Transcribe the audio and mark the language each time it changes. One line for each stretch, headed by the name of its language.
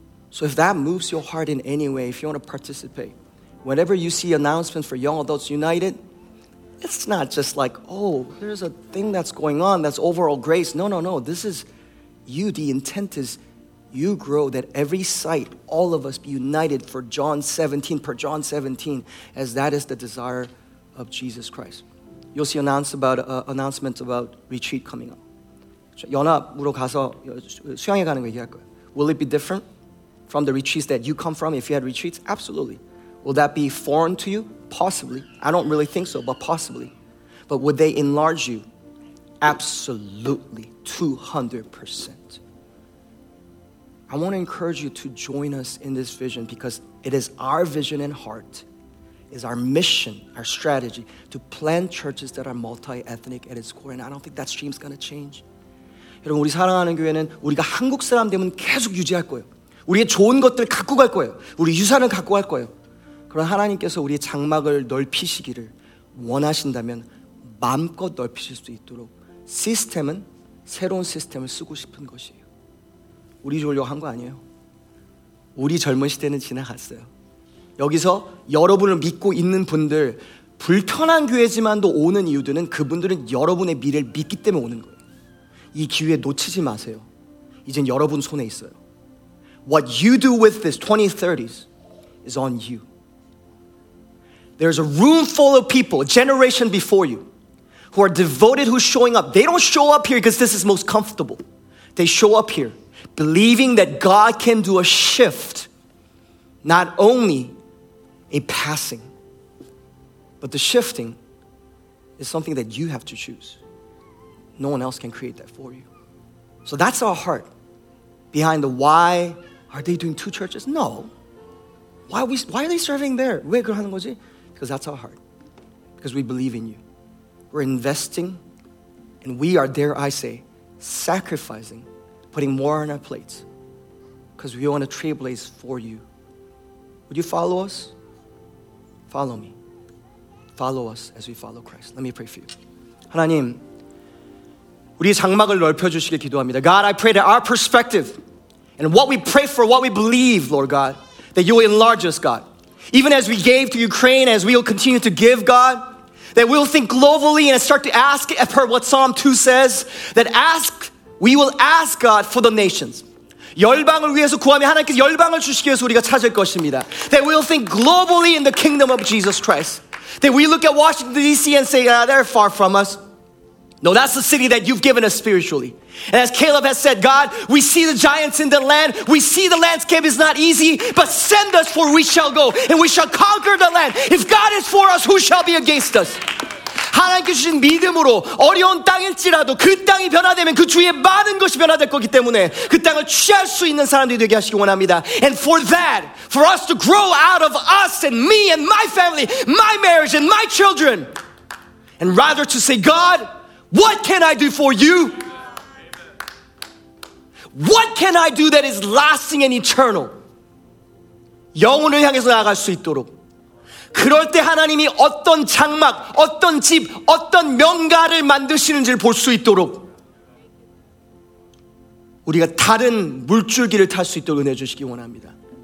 English: So if that moves your heart in any way, if you want to participate, whenever you see announcements for Young Adults United, it's not just like, oh, there's a thing that's going on that's overall Grace. No, no, no. This is you. The intent is you grow, that every site, all of us be united for John 17, per John 17, as that is the desire of Jesus Christ. You'll see announcements about retreat coming up.
Korean: 연합으로 가서 수양회 가는 거 얘기할 거예요.
English: Will it be different from the retreats that you come from if you had retreats? Absolutely. Will that be foreign to you? Possibly. I don't really think so, but possibly. But would they enlarge you? Absolutely. 200%. I want to encourage you to join us in this vision because it is our vision and heart, is our mission, our strategy, to plant churches that are multi-ethnic at its core. And I don't think that stream's going to change.
Korean: 여러분, 우리 사랑하는 교회는 우리가 한국 사람 되면 계속 유지할 거예요. 우리의 좋은 것들을 갖고 갈 거예요. 우리 유산을 갖고 갈 거예요. 그러나 하나님께서 우리의 장막을 넓히시기를 원하신다면 마음껏 넓히실 수 있도록 시스템은 새로운 시스템을 쓰고 싶은 것이에요. 우리 졸려고 한 거 아니에요. 우리 젊은 시대는 지나갔어요. 여기서 여러분을 믿고 있는 분들, 불편한 교회지만도 오는 이유들은 그분들은 여러분의 미래를 믿기 때문에 오는 거예요. 이 기회 놓치지 마세요. 이젠 여러분 손에 있어요.
English: What you do with this 2030s is on you. There's a room full of people, a generation before you, who are devoted, who's showing up. They don't show up here because this is most comfortable. They show up here believing that God can do a shift, not only a passing, but the shifting is something that you have to choose. No one else can create that for you. So that's our heart behind the why are they doing two churches? No. Why are they serving there?
Korean: 왜 그걸 하는 거지?
English: Because that's our heart. Because we believe in you. We're investing, and we are, dare I say, sacrificing, putting more on our plates. Because we want to trailblaze for you. Would you follow us? Follow me. Follow us as we follow Christ. Let me pray for you.
Korean: 하나님, 우리의 장막을 넓혀주시길 기도합니다.
English: God, I pray that our perspective and what we pray for, what we believe, Lord God, that you will enlarge us, God. Even as we gave to Ukraine, as we will continue to give, God, that we will think globally and start to ask, per what Psalm 2 says, that ask, we will ask, God, for the nations.
Korean: 열방을 위해서 구하며 하나님께서 열방을 주시기 위해서 우리가 찾을 것입니다.
English: That we will think globally in the kingdom of Jesus Christ. That we look at Washington D.C. and say, ah, they're far from us. No, that's the city that you've given us spiritually. And as Caleb has said, God, we see the giants in the land. We see the landscape is not easy, but send us for we shall go and we shall conquer the land. If God is for us, who shall be against us?
Korean: 하나님께 주신 믿음으로 어려운 땅일지라도 그 땅이 변화되면 그 주위에 많은 것이 변화될 거기 때문에 그 땅을 취할 수 있는 사람들이 되게 하시기 원합니다.
English: And for that, for us to grow out of us and me and my family, my marriage and my children, and rather to say, God, what can I do for you? What can I do that is lasting and eternal?
Korean: 영혼을 향해서 나아갈 수 있도록 그럴 때 하나님이 어떤 장막, 어떤 집, 어떤 명가를 만드시는지를 볼 수 있도록 우리가 다른 물줄기를 탈 수 있도록 은혜 주시기 원합니다.